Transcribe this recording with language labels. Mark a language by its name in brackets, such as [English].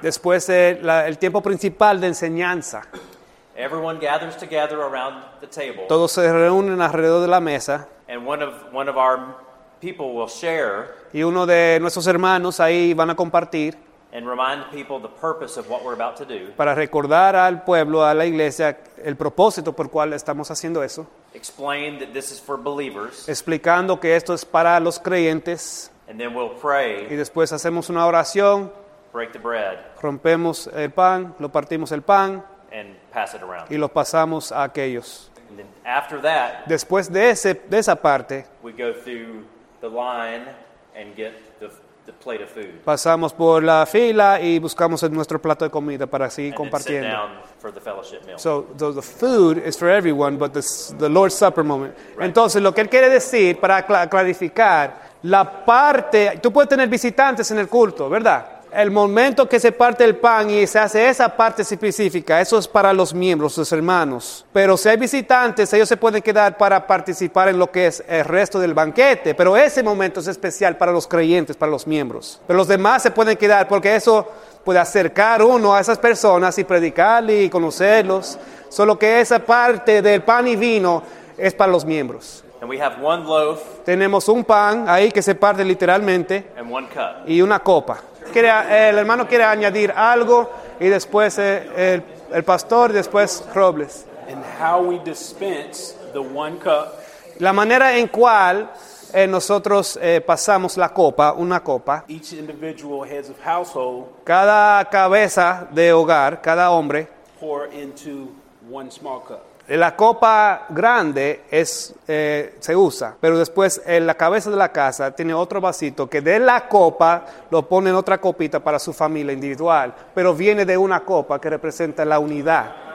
[Spanish] después de el tiempo principal de enseñanza, [English] everyone gathers together around the table, [Spanish] todos se reúnen alrededor de la mesa, [English] and one of our people will share, [Spanish] y uno de nuestros hermanos ahí van a compartir, [English] and remind people the purpose of what we're about to do. [Spanish] Para recordar al pueblo, a la iglesia, el propósito por cual estamos haciendo eso. [English] Explain that this is for believers. [Spanish] Explicando que esto es para los creyentes. [English] And then we'll pray. [Spanish] Y después hacemos una oración. [English] Break the bread. [Spanish] Rompemos el pan, lo partimos el pan. [English] And pass it around. [Spanish] Y lo pasamos a aquellos. [English] And then after that. [Spanish] Después de esa parte. [English] We go through the line and get the plate of food. [Spanish] Pasamos por la fila y buscamos nuestro plato de comida para seguir [English] and [Spanish] compartiendo. [English] Then sit down for the fellowship meal. So the food is for everyone, but the Lord's Supper moment. Right. [Spanish] Entonces, lo que él quiere decir, para clarificar, la parte, tú puedes tener visitantes en el culto, ¿verdad? El momento que se parte el pan y se hace esa parte específica, eso es para los miembros, los hermanos. Pero si hay visitantes, ellos se pueden quedar para participar en lo que es el resto del banquete. Pero ese momento es especial para los creyentes, para los miembros. Pero los demás se pueden quedar porque eso puede acercar uno a esas personas y predicarle y conocerlos. Solo que esa parte del pan y vino es para los miembros. [English] And we have one loaf. [Spanish] Tenemos un pan ahí que se parte literalmente. [English] And one cup. [Spanish] Y una copa. El hermano quiere añadir algo y después el pastor, después Robles. [English] And how we dispense the one cup. [Spanish] La manera en cual nosotros pasamos la copa, una copa. [English] Each individual heads of household. [Spanish] Cada cabeza de hogar, cada hombre. [English] Pour into one small cup. [Spanish] La copa grande es se usa, pero después en la cabeza de la casa tiene otro vasito que de la copa lo pone en otra copita para su familia individual, pero viene de una copa que representa la unidad.